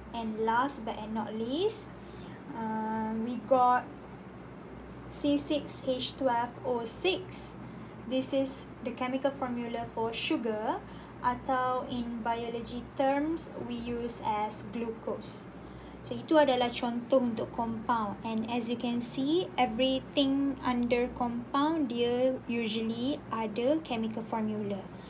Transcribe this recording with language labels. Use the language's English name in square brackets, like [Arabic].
[English] And last but not least, we got C6H12O6. This is the chemical formula for sugar, atau in biology terms we use as glucose. [Malay] So itu adalah contoh untuk compound. [English] And as you can see, everything under compound dia usually ada chemical formula.